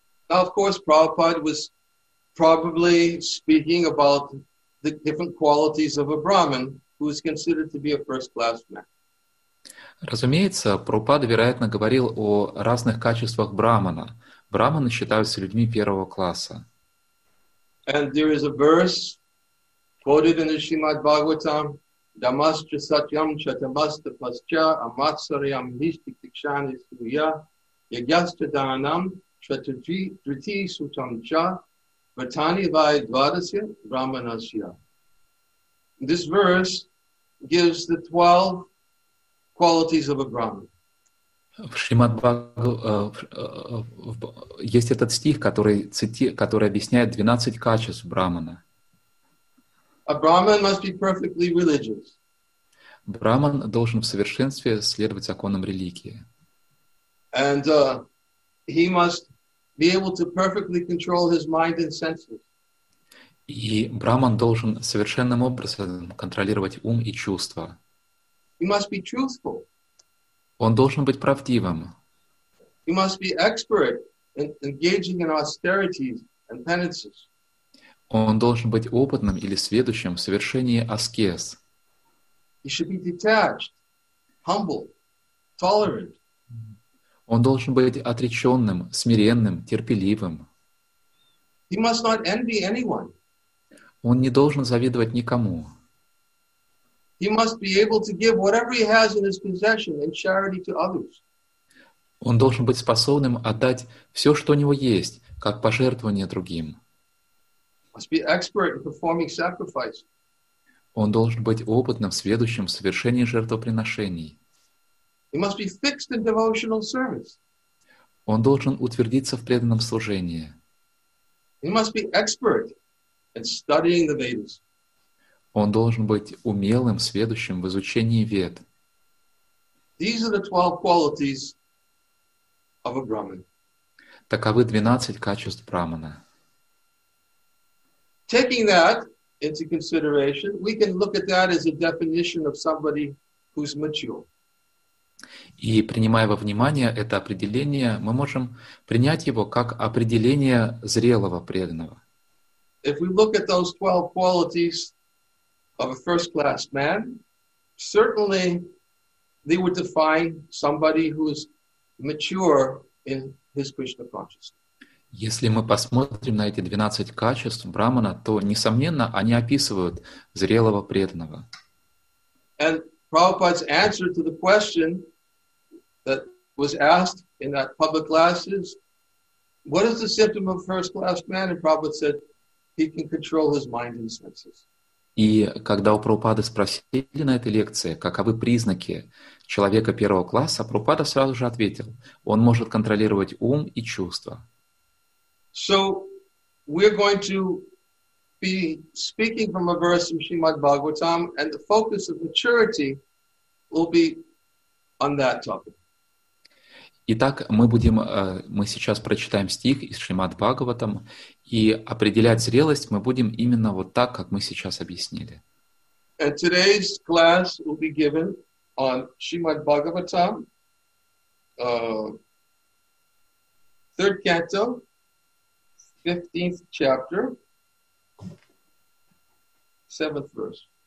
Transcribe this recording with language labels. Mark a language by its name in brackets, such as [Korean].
[English] Now, of course, Prabhupada was probably speaking about the different qualities of a Brahmin who is considered to be a first-class man. [Russian] Разумеется, Прабхупада, вероятно, говорил о разных качествах брахмана. Брахманы считаются людьми первого класса. [English] And there is a verse quoted in the Srimad Bhagavatam, [Sanskrit] Damascha satyam chatamasta pascha amatsaryam nishti tikshani suya yagyascha dhanam chatriti sutam cha vatani vai dvadasya brahmanasya. [English] This verse gives the 12 qualities of a Brahman. [Russian] В Шримад Бхагаватам есть этот стих, который объясняет 12 качеств брахмана. [English] A Brahman must be perfectly religious. [Russian] Брахман должен в совершенстве следовать законам религии. [English] And he must be able to perfectly control his mind and senses. [Russian] И брахман должен совершенным образом контролировать ум и чувства. [English] He must be truthful. [Russian] Он должен быть правдивым. [English] He must be expert in engaging in austerities and penances. [Russian] Он должен быть опытным или сведущим в совершении аскез. [English] He should be detached, humble, tolerant. [Russian] Он должен быть отреченным, смиренным, терпеливым. [English] He must not envy anyone. [Russian] Он не должен завидовать никому. [English] He must be able to give whatever he has in his possession in charity to others. [Russian] Он должен быть способным отдать все, что у него есть, как пожертвование другим. [English] Must be expert in performing sacrifice. [Russian] Он должен быть опытным, сведущим в совершении жертвоприношений. [English] He must be fixed in devotional service. [Russian] Он должен утвердиться в преданном служении. [English] He must be expert in studying the Vedas. [Russian] Он должен быть умелым, сведущим в изучении Вед. [English] These are the 12 qualities of a Brahmin. [Russian] Таковы 12 качеств Брахмана. [English] Taking that into consideration, we can look at that as a definition of somebody who's mature. [Russian] И принимая во внимание это определение, мы можем принять его как определение зрелого преданного. [English] If we look at those 12 qualities of a first-class man, certainly they would define somebody who is mature in his Krishna consciousness. [Russian] Если мы посмотрим на эти 12 качеств Брахмана, то, несомненно, они описывают зрелого преданного. [English] And Prabhupada's answer to the question that was asked in that public class is, what is the symptom of a first-class man? And Prabhupada said, he can control his mind and senses. [Russian] И когда у Прабхупады спросили на этой лекции, каковы признаки человека первого класса, Прабхупада сразу же ответил, он может контролировать ум и чувства. [English] So, we're going to be speaking from a verse in Srimad Bhagavatam, and the focus of maturity will be on that topic. [Russian] Итак, мы сейчас прочитаем стих из Шримад Бхагаватам, и определять зрелость мы будем именно вот так, как мы сейчас объяснили. [English] And today's class will be given on Shrimad Bhagavatam, third canto, 15th chapter, 7th verse.